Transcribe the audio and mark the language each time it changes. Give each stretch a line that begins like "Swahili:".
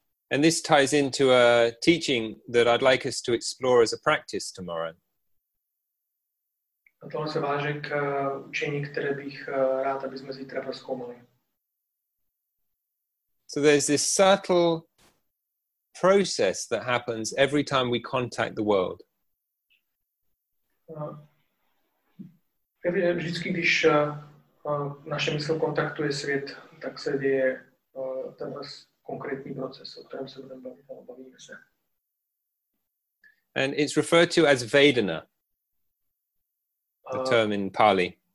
English: And this ties into a teaching that I'd like us to explore as a practice tomorrow.
Czech: A tohle se váže k učení, které bych rád, aby jsme zítra prozkoumali.
English: So there's this subtle process that happens every time we contact the world.
Czech: Vždycky, když naše mysl kontaktuje svět, tak se děje ten konkrétní proces, o kterém se budeme bavit.
English: And it's referred to as Vedana, the term in Pali.